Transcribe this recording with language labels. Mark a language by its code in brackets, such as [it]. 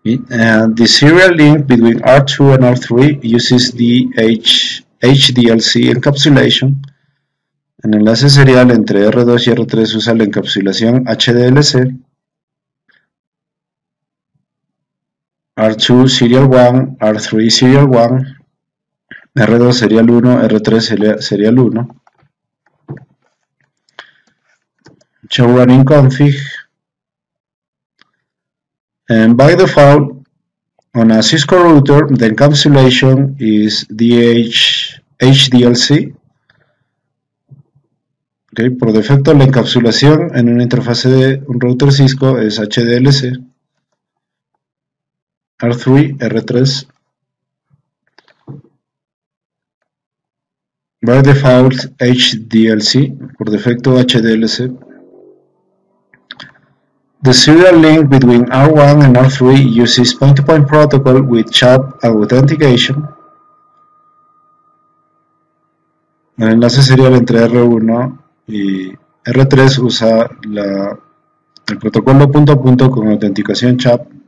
[en] And the serial link between R2 and R3 uses the HDLC encapsulation. [es] El enlace serial entre R2 y R3 usa la encapsulación HDLC. [en] R2 serial 1, R3 serial 1, R2 serial 1, R3 serial 1. Show running config. And by default, on a Cisco router, the encapsulation is HDLC. [es] Okay, por defecto, la encapsulación en una interfase de un router Cisco es HDLC. [en] R3, R3. By default, HDLC. [es] Por defecto, HDLC. [en] The serial link between R1 and R3 uses point-to-point protocol with CHOP authentication. [es] El enlace serial entre R1 y R3 usa el protocolo punto-a-punto con autenticación CHOP.